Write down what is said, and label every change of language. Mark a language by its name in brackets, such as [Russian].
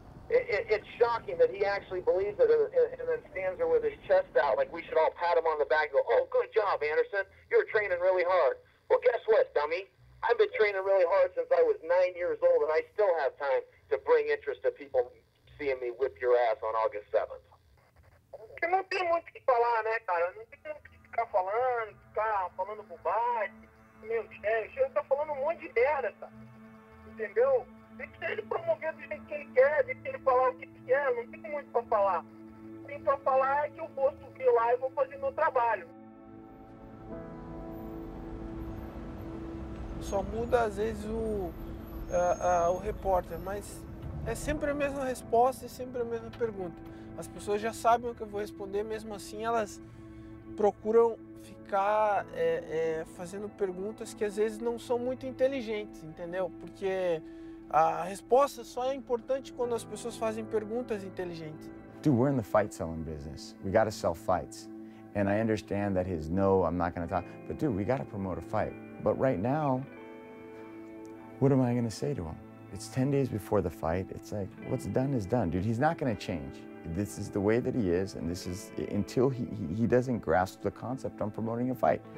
[English] It's shocking that he actually believes it and then stands there with his chest out like we should all pat him on the back and go, oh, good job, Anderson. You're training really hard. Well, guess what, dummy? I've been training really hard since I was 9 years old, and I still have time to bring interest to people seeing me whip your ass on August 7th. [Portuguese] Que não tem muito o que falar, né, cara? Não tem muito o que ficar falando bobagem. Meu Deus, ele tá falando um monte de merda, tá? Entendeu? Deixa ele promover do jeito que ele quer, deixa ele falar o que ele quer, não tem muito pra falar. O que tem pra falar é que eu vou subir lá e vou fazer meu trabalho. Só muda às vezes o repórter, mas é sempre a mesma resposta e sempre a mesma pergunta. As pessoas já sabem o que eu vou responder, mesmo assim elas procuram ficar fazendo perguntas que às vezes não são muito inteligentes, entendeu? Porque a resposta só é importante quando as pessoas fazem perguntas inteligentes. [English] Dude, we're in the fight selling business. We gotta sell fights. And I understand that his no, I'm not gonna talk. But dude, we gotta promote a fight. But right now, what am I gonna say to him? It's 10 days before the fight. It's like, what's done is done. Dude, he's not gonna change. This is the way that he is, and this is until he doesn't grasp the concept I'm promoting a fight.